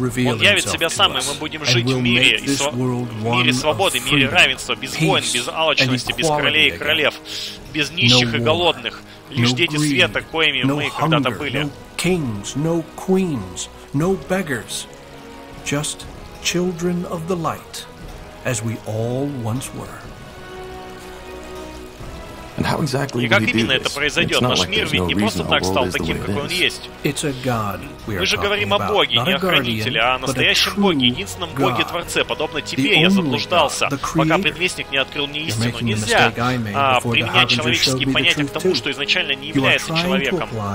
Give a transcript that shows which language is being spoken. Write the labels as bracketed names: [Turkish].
[Russian] Он явит себя сам, и мы будем жить в мире, мире свободы, мире равенства, без войн, без алчности, без королей и королев, без нищих и голодных, лишь дети света, коими мы когда-то были. [English] Kings, no queens, no beggars, just children of the light, as we all once were. [Russian] И как именно это произойдет? Наш мир ведь не просто так стал таким, какой он есть. Мы же говорим о Боге, не о хранителе, а о настоящем Боге, единственном Боге-творце. Подобно тебе я заблуждался, пока предвестник не открыл мне истину. Нельзя применять человеческие понятия к тому, что изначально не является человеком.